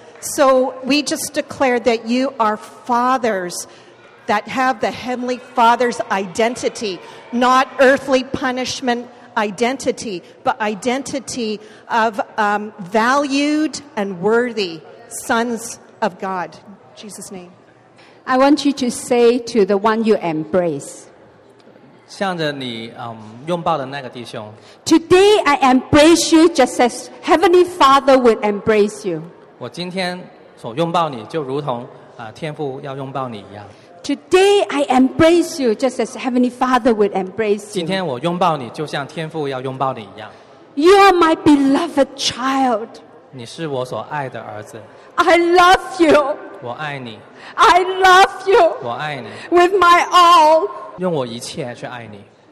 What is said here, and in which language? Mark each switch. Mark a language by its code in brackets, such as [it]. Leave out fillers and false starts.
[en] So we just declare that you are fathers that have the Heavenly Father's identity, not earthly punishment identity, but identity of valued and worthy sons of God. In Jesus' name. I want you to say to the one you embrace. [zh] 向着你拥抱的那个弟兄。 [en] Today I embrace you just as Heavenly Father would embrace you. [zh] 我今天所拥抱你就如同天父要拥抱你一样。 [en] Today I embrace you just as Heavenly Father would embrace you. [zh] 今天我拥抱你就像天父要拥抱你一样。 [en] You are my beloved child. [zh] 你是我所爱的儿子。 [en] I love you. [zh] 我爱你。 [en] I love you. [zh] 我爱你。 [en] With my all. [zh] 用我一切去爱你。